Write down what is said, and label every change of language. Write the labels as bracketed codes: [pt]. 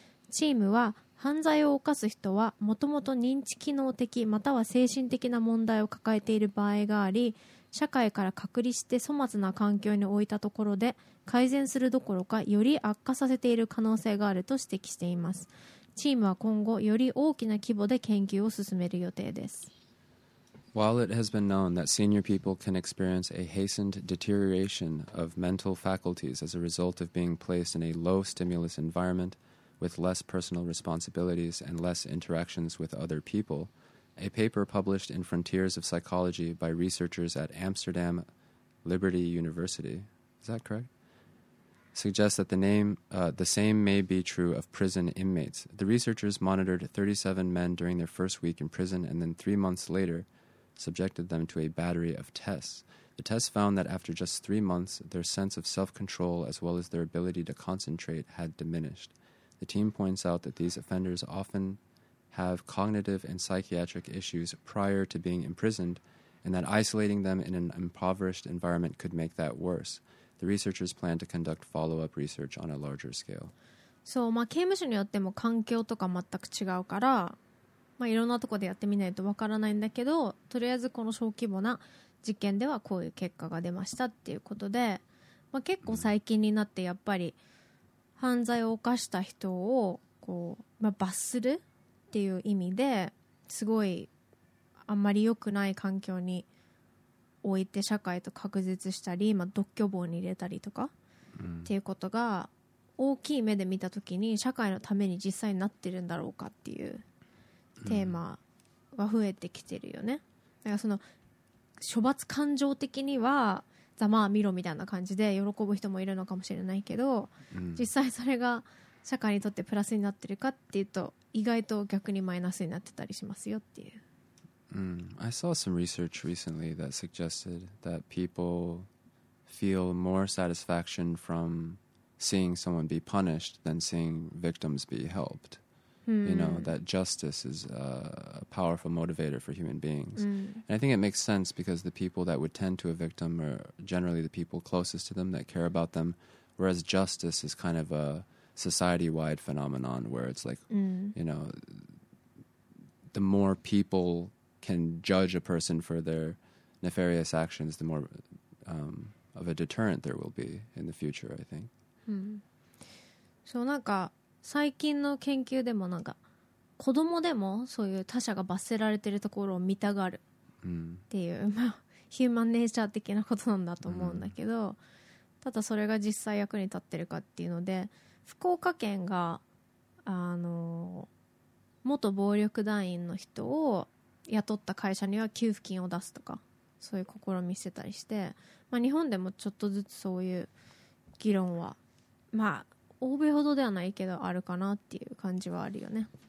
[ja] チームは、犯罪を犯す人はもともと認知機能的または精神的な問題を抱えている場合があり、社会から隔離して粗末な環境に置いたところで改善するどころかより悪化させている可能性があると指摘しています。チームは今後より大きな規模で研究を進める予定です。 [en] While it has been known that senior people can experience a hastened deterioration of mental faculties as a result of being placed in a low stimulus environment with less personal responsibilities and less interactions with other peopleA paper published in Frontiers of Psychology by researchers at Amsterdam Liberty University, is that correct? suggests that the same may be true of prison inmates. The researchers monitored 37 men during their first week in prison and then 3 months later subjected them to a battery of tests. The tests found that after just 3 months, their sense of self-control as well as their ability to concentrate had diminished. The team points out that these offenders often have cognitive and psychiatric issues prior to being imprisoned, and that isolating them in an impoverished environment could make that worse. The researchers plan to conduct follow-up research on a larger scale. [ja] So, まあ、刑務所によっても環境とか全く違うから、まあ、いろんなとこでやってみないとわからないんだけど、とりあえずこの小規模な実験ではこういう結果が出ましたっていうことで、まあ、結構最近になってやっぱり犯罪を犯した人をこう、まあ、罰するっていう意味ですごいあんまり良くない環境に置いて社会と隔絶したり、まあ、独居房に入れたりとかっていうことが大きい目で見た時に社会のために実際になってるんだろうかっていうテーマは増えてきてるよね。だからその処罰感情的にはざまあ見ろみたいな感じで喜ぶ人もいるのかもしれないけど、うん、実際それが社会にとってプラスになってるかっていうと意外と逆にマイナスになってたりしますよっていう、 mm. [en] I saw some research recently that suggested that people feel more satisfaction from seeing someone be punished than seeing victims be helped、mm. You know, that justice is a powerful motivator for human beings、mm. And I think it makes sense because the people that would tend to a victim are generally the people closest to them that care about them, whereas justice is kind of a society-wide phenomenon where it's like、mm. You know, the more people can judge a person for their nefarious actions, the more、of a deterrent there will be in the future, I think、 mm. [ja] そう、なんか最近の研究でもなんか子供でもそういう他者が罰せられてるところを見たがるっていう、mm. ヒューマンネイチャー的なことなんだと思うんだけど、mm. ただそれが実際役に立ってるかっていうので、福岡県が元暴力団員の人を雇った会社には給付金を出すとかそういう試みしてたりして、まあ、日本でもちょっとずつそういう議論はまあ欧米ほどではないけどあるかなっていう感じはあるよね。